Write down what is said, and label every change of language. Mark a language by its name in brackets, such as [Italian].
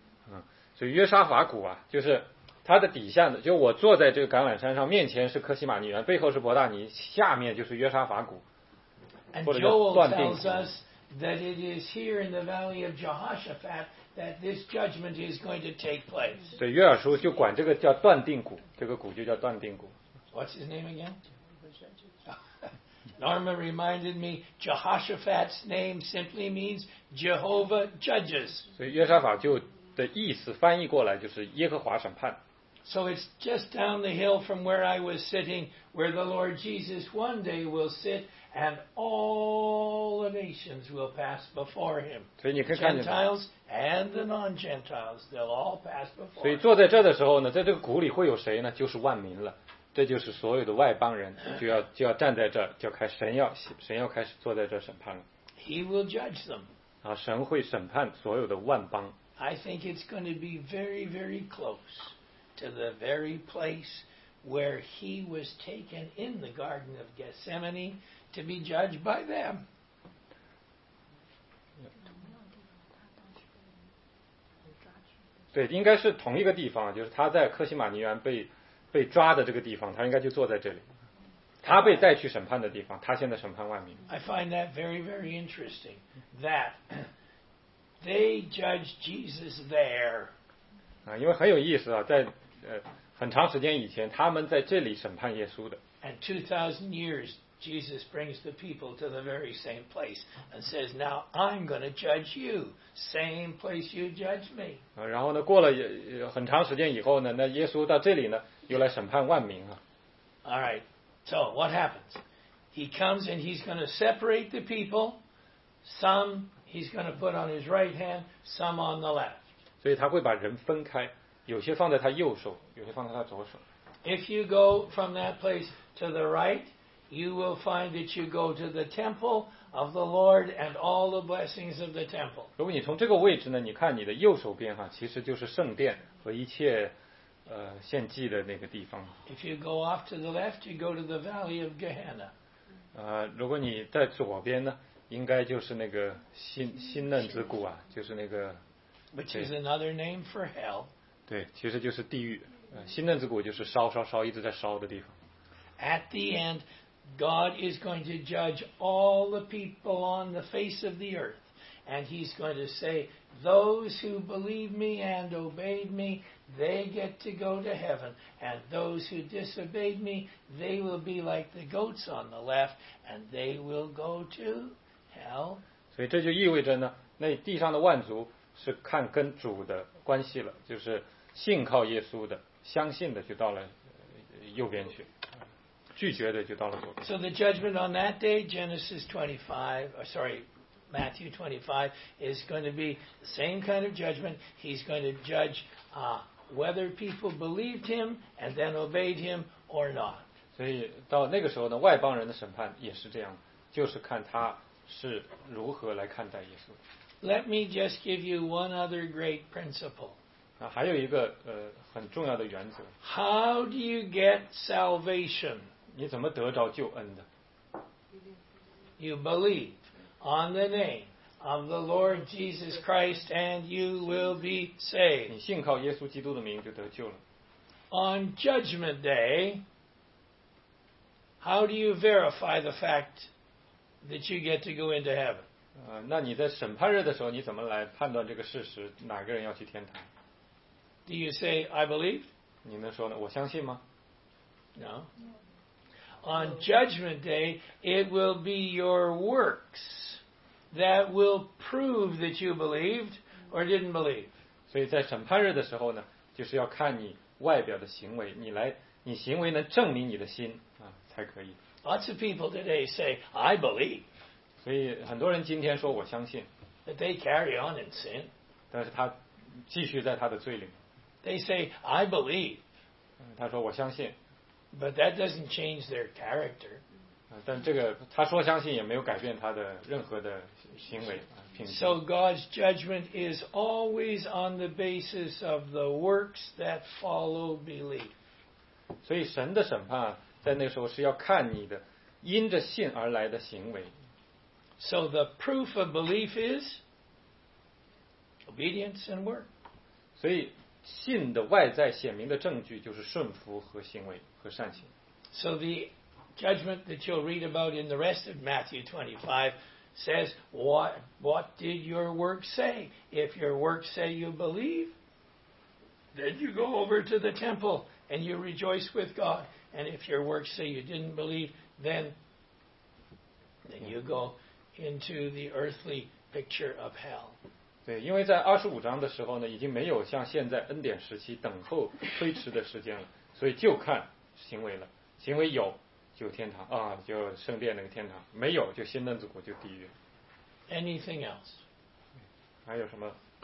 [Chinese] 嗯，所以约沙法谷啊，就是。它的底下呢，就我坐在这个橄榄山上，面前是科西玛尼园，背后是伯大尼，下面就是约沙法谷，或者叫断定。 [English] Joel tells us that it is here in the valley of Jehoshaphat that this judgment is going to take place. [Chinese] 对，约珥书就管这个叫断定谷，这个谷就叫断定谷。 [English] What's his name again? Norma reminded me Jehoshaphat's name simply means Jehovah judges. [Chinese] 所以约沙法就的意思翻译过来就是耶和华审判。 [English] So it's just down the hill from where I was sitting, where the Lord Jesus one day will sit, and all the nations will pass before him. Gentiles and the non-Gentiles, they'll all pass before him. [Chinese] 所以坐在这的时候呢，在这个谷里会有谁呢？就是万民了，这就是所有的外邦人就要站在这，就开神要开始坐在这审判了。 [English] He will judge them. [Chinese] 啊，神会审判所有的万邦。 [English] I think it's going to be very, very close. To the very place where he was taken in the Garden of Gethsemane to be judged by them. Yeah. [Chinese] 对，应该是同一个地方，就是他在科西玛尼园被抓的这个地方，他应该就坐在这里。他被带去审判的地方，他现在审判万民。 [English] I find that very, very interesting that they judge Jesus there. [Chinese] 啊，因为很有意思啊，在。很长时间以前他们在这里审判耶稣的 [English] and 2000 years Jesus brings the people to the very same place and says now I'm going to judge you same place you judge me [Chinese] 然后呢过了很长时间以后呢那耶稣到这里呢又来审判万民啊 [English] alright so what happens he comes and he's going to separate the people some he's going to put on his right hand some on the left [Chinese] 所以他会把人分开有些放在他右手，有些放在他左手。 [English] If you go from that place to the right, you will find that you go to the temple of the Lord and all the blessings of the temple. [Chinese] 如果你从这个位置呢，你看你的右手边哈，其实就是圣殿和一切献祭的那个地方。 [English] If you go off to the left, you go to the valley of Gehenna. [Chinese] 如果你在左边呢，应该就是那个新嫩子谷啊，就是那个。 [English] Which is another name for hell. [Chinese] 对，其实就是地狱。新嫩子骨就是烧烧烧一直在烧的地方。 [English] At the end, God is going to judge all the people on the face of the earth, and He's going to say, "Those who believed me and obeyed me, they get to go to heaven, and those who disobeyed me, they will be like the goats on the left, and they will go to hell." [Chinese] 所以这就意味着呢，那地上的万族是看跟主的关系了，就是信靠耶稣的、相信的就到了右边去。拒绝的就到了左边。 [English] So the judgment on that day, Genesis 25, or sorry, Matthew 25, is going to be the same kind of judgment. He's going to judge, whether people believed him and then obeyed him or not. [Chinese] 所以到那个时候呢，外邦人的审判也是这样，就是看他是如何来看待耶稣。 [English] Let me just give you one other great principle. [Chinese] 啊，还有一个很重要的原则。 [English] How do you get salvation? [Chinese] 你怎么得着救恩的？ [English] You believe on the name of the Lord Jesus Christ and you will be saved. [Chinese] 你信靠耶稣基督的名就得救了。 [English] On judgment day, how do you verify the fact that you get to go into heaven? [Chinese] 那你在审判日的时候你怎么来判断这个事实，哪个人要去天堂？ [English] Do you say, I believe? [Chinese] 你能说呢，我相信吗？ [English] No. On judgment day, it will be your works that will prove that you believed or didn't believe. [Chinese] 所以在审判日的时候呢，就是要看你外表的行为，你行为能证明你的心啊，才可以。 [English] Lots of people today say, I believe. [Chinese] 所以很多人今天说我相信。 [English] But they carry on in sin. [Chinese] 但是他继续在他的罪里。 [English] They say, I believe. [Chinese] 他说我相信。 [English] But that doesn't change their character. [Chinese] 但这个他说相信也没有改变他的任何的行为品质。 [English] So God's judgment is always on the basis of the works that follow belief. [Chinese] 所以神的审判在那时候是要看你的因着信而来的行为。 [English] So the proof of belief is obedience and work. [Chinese] 所以信的外在显明的证据就是顺服和行为。 [English] So the judgment that you'll read about in the rest of Matthew 25 says, what did your works say? If your works say you believe, then you go over to the temple and you rejoice with God. And if your works say you didn't believe, then you go into the earthly picture of hell. [Chinese] 对，因为在二十五章的时候呢，已经没有像现在恩典时期等候推迟的时间了，所以就看。行为了，行为有就天堂啊，就圣殿那个天堂；没有就新嫩子骨就地狱。 [English] Anything else？ [Chinese] 还有什么